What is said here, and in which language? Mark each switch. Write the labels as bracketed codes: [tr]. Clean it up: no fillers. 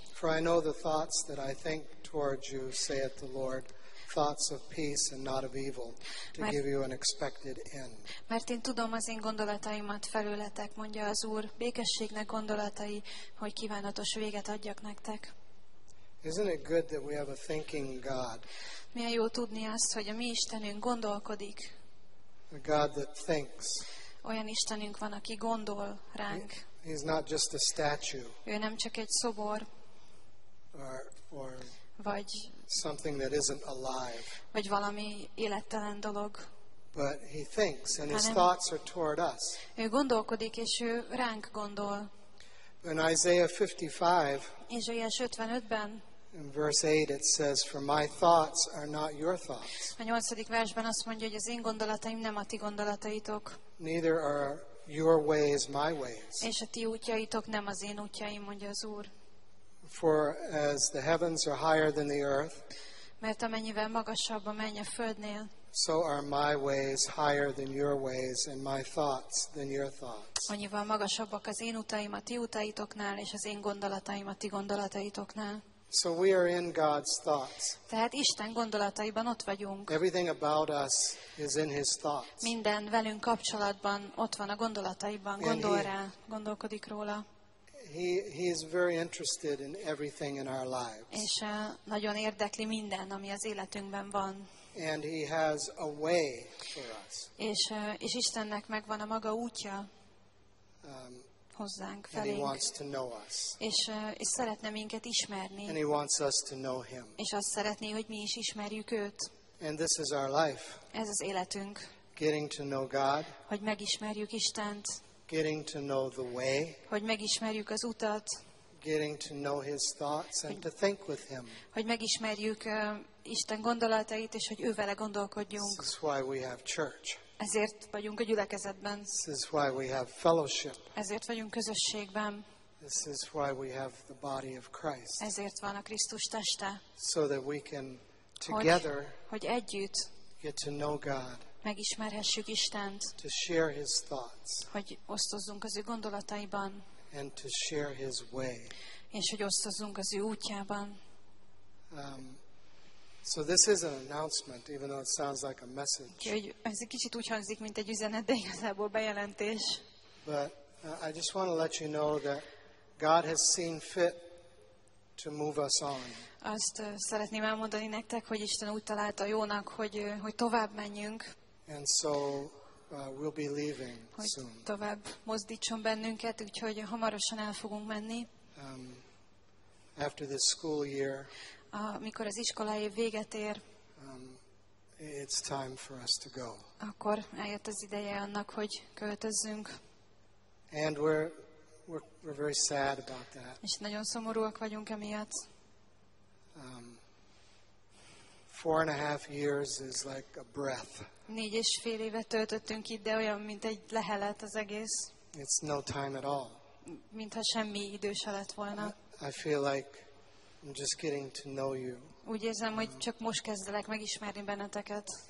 [en] "For I know the thoughts that I think toward you, saith the Lord, thoughts of peace and not of evil, to give you an expected end." [hu] Mert én tudom az én gondolataimat felőletek, mondja az Úr, békességnek gondolatai, hogy kívánatos véget adjak nektek. [en] Isn't it good that we have a thinking God? [hu] Milyen jó tudni azt, hogy a mi Istenünk gondolkodik. [en] A God that thinks. [hu] Olyan Istenünk van, aki gondol ránk. [en] He's not just a statue. [hu] Ő nem csak egy szobor. [en] Or [hu] vagy [en] something that isn't alive. [hu] Vagy valami élettelen dolog. [en] But he thinks, and his thoughts are toward us. [hu] Ő gondolkodik, és ő ránk gondol. [en] In Isaiah 55, [hu] Ézsaiás 55-ben, [en] in verse 8 it says, "For my thoughts are not your thoughts." [hu] A 8. versben azt mondja, hogy az én gondolataim nem a ti gondolataitok. [en] Neither are your ways my ways. [hu] És a ti útjaitok nem az én útjaim, mondja az Úr. [en] For as the heavens are higher than the earth, [hu] mert amennyivel magasabb a menny a földnél, [en] so are my ways higher than your ways, and my thoughts than your thoughts. [hu] Annyival magasabbak az én utaim a ti utaitoknál, és az én gondolataim a ti gondolataitoknál. [en] So we are in God's thoughts. [hu] Tehát Isten gondolataiban ott vagyunk. [en] Everything about us is in his thoughts. [hu] Minden velünk kapcsolatban ott van a gondolataiban, gondol rá, gondolkodik róla. [en] He is very interested in everything in our lives. [hu] És nagyon érdekli minden, ami az életünkben van. [en] And he has a way for us. [hu] És Istennek megvan a maga útja hozzánk, felénk. [en] And he wants to know us. [hu] És szeretne minket ismerni. [en] And he wants us to know him. [hu] És azt szeretné, hogy mi is ismerjük őt. [en] And this is our life. [hu] Ez az életünk. [en] Getting to know God. [hu] Hogy megismerjük Istent. [en] Getting to know the way. [hu] Hogy megismerjük az utat. [en] Getting to know his thoughts and to think with him. [hu] Hogy megismerjük Isten gondolatait, és hogy ővele gondolkodjunk. [en] This is why we have church. [hu] Ezért vagyunk a gyülekezetben. [en] This is why we have fellowship. [hu] Ezért vagyunk közösségben. [en] This is why we have the body of Christ. [hu] Ezért van a Krisztus teste. [en] So that we can together [hu] hogy együtt [en] get to know God. [hu] Megismerhessük Istent, [en] to share his thoughts, [hu] hogy osztozzunk az ő gondolataiban, [en] and to share his way. [hu] És hogy osztozzunk az ő útjában. [en] So this is an announcement, even though it sounds like a message. [hu] Ez egy kicsit úgy hangzik, mint egy üzenet, de igazából bejelentés. [en] But I just want to let you know that God has seen fit to move us on. [hu] Azt szeretném elmondani nektek, hogy Isten úgy találta jónak, hogy tovább menjünk. [en] And so we'll be leaving soon. [hu] Hogy tovább mozdítson bennünket, úgyhogy hamarosan el fogunk menni. [en] After this school year, [hu] amikor az iskola év véget ér, [en] it's time for us to go. [hu] Akkor eljött az ideje annak, hogy költözzünk. [en] And we're very sad about that. [hu] És nagyon szomorúak vagyunk emiatt. [en] 4.5 years is like a breath. [hu] 4.5 évet töltöttünk itt, de olyan, mint egy lehelet az egész. [en] It's no time at all. [hu] Mintha semmi idő se lett volna. [en] I feel like I'm just getting to know you. [hu] Úgy érzem, hogy csak most kezdelek megismerni benneteket.